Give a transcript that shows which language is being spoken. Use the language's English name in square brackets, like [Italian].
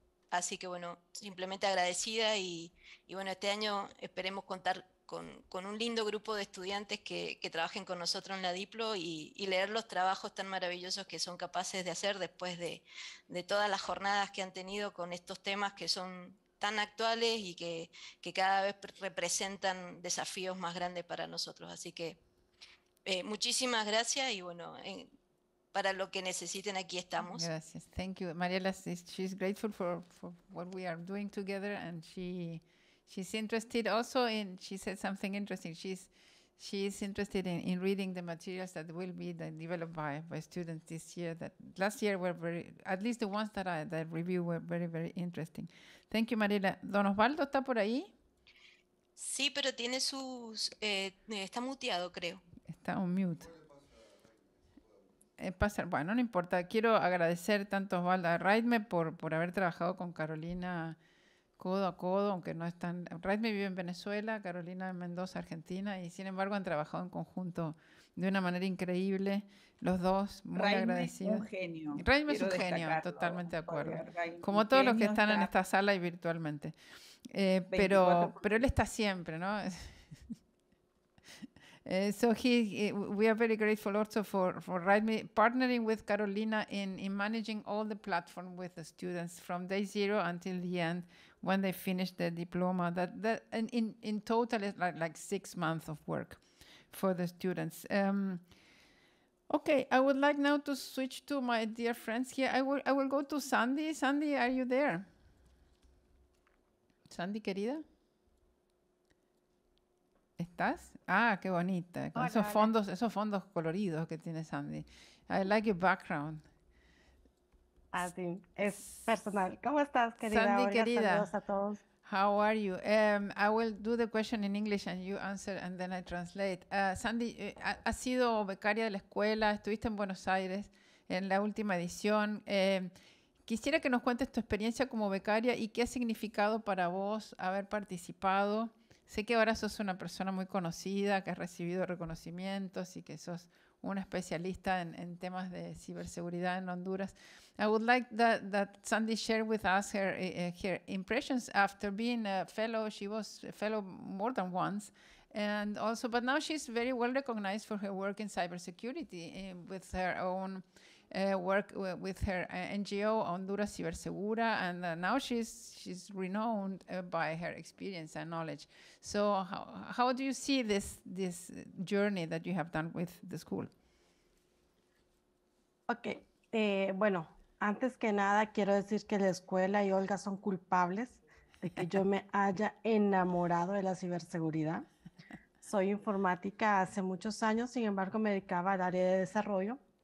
[Spanish] Así que bueno, simplemente agradecida y bueno, este año esperemos contar con un lindo grupo de estudiantes que trabajen con nosotros en la Diplo y leer los trabajos tan maravillosos que son capaces de hacer después de todas las jornadas que han tenido con estos temas que son tan actuales y que cada vez representan desafíos más grandes para nosotros. Así que muchísimas gracias y bueno, para lo que necesiten, aquí estamos. Gracias. [English] Thank you. Mariela, she's grateful for what we are doing together, and she's interested also in, she said something interesting. She's interested in reading the materials that will be developed by students this year, that last year were very, at least the ones that review were very, very interesting. Thank you, [Spanish] Mariela. Don Osvaldo, ¿está por ahí? Sí, pero tiene sus, está muteado, creo. Está [English] on mute. [Spanish] Bueno, no importa. Quiero agradecer tanto a Osvaldo, a Raidme por haber trabajado con Carolina codo a codo, aunque no están. Raidme vive en Venezuela, Carolina en Mendoza, Argentina, y sin embargo han trabajado en conjunto de una manera increíble. Los dos, muy Raidme agradecidos. Raidme es un genio, totalmente de acuerdo. Como todos los que están en esta sala y virtualmente. Pero él está siempre, ¿no? [English] So we are very grateful also for Raidme partnering with Carolina in managing all the platform with the students from day zero until the end when they finish their diploma. That in total is like 6 months of work for the students. Okay, I would like now to switch to my dear friends here. I will go to Sandy. Sandy, are you there? [Spanish] Sandy, querida. ¿Estás? Ah, qué bonita. Con hola, esos fondos coloridos que tiene Sandy. [English] I like your background. [Spanish] Así, es personal. ¿Cómo estás, querida? Sandy, Olga, querida. Saludos a todos. [English] How are you? I will do the question in English and you answer and then I translate. [Spanish] Sandy, ha sido becaria de la escuela, estuviste en Buenos Aires en la última edición. Quisiera que nos cuentes tu experiencia como becaria y qué ha significado para vos haber participado. Sé que ahora sos una persona muy conocida, que has recibido reconocimientos y que sos una especialista en temas de ciberseguridad en Honduras. [English] I would like that Sandy share with us her impressions after being a fellow. She was a fellow more than once. And also, but now she's very well recognized for her work in cybersecurity with her own work with her NGO, Honduras Cibersegura, and now she's renowned by her experience and knowledge. So how do you see this journey that you have done with the school? [Spanish] Okay, bueno, antes que nada quiero decir que la escuela y Olga son culpables de que yo me haya enamorado de la ciberseguridad. Soy informática hace muchos años, sin embargo, me dedicaba al área de desarrollo.